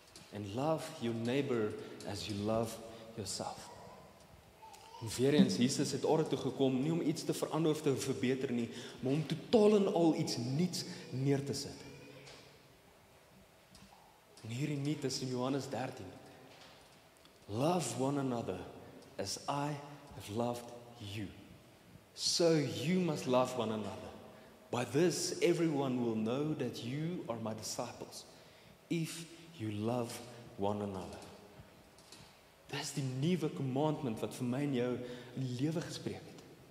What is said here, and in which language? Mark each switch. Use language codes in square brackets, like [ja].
[en] And love your neighbor as you love yourself. [af] En weer eens, Jesus het orde toe gekom, nie om iets te verander of te verbeter nie, maar om totaal en al iets niets neer te sit. En hierdie niet is in Johannes 13. [en] Love one another as I have loved you. So you must love one another. By this everyone will know that you are my disciples, if you love one another. [af] is die nuwe commandment wat vir my en jou in die lewe gespreek het.